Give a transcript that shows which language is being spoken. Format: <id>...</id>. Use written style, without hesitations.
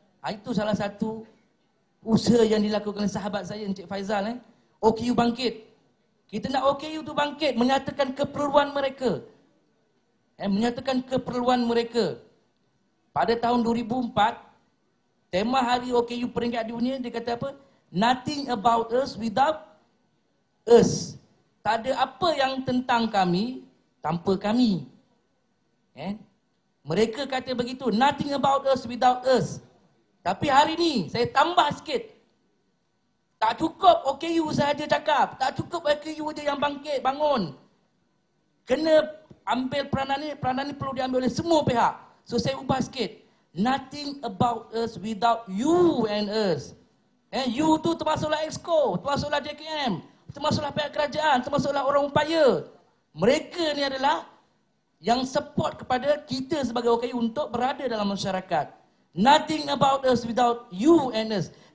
<ms>Itu salah satu usaha yang dilakukan sahabat saya Encik Faizal. OKU bangkit. Kita nak OKU tu bangkit menyatakan keperluan mereka. Menyatakan keperluan mereka. Pada tahun 2004, tema hari OKU peringkat dunia, dia kata apa?</ms> <en>Nothing about us without us.</en> <ms>Tak ada apa yang tentang kami tanpa kami. Mereka kata begitu,</ms> <en>nothing about us without us.</en> <ms>Tapi hari ini, saya tambah sikit. Tak cukup OKU sahaja cakap. Tak cukup OKU saja yang bangkit, bangun. Kena ambil peranan ini. Peranan ini perlu diambil oleh semua pihak. So, saya ubah sikit.</ms> <en>Nothing about us without you and us.</en> <ms>You tu termasuklah EXCO, termasuklah JKM, termasuklah pihak kerajaan, termasuklah orang upaya. Mereka ni adalah yang support kepada kita sebagai OKU untuk berada dalam masyarakat.</ms> <en>Nothing about us without you and us.</en>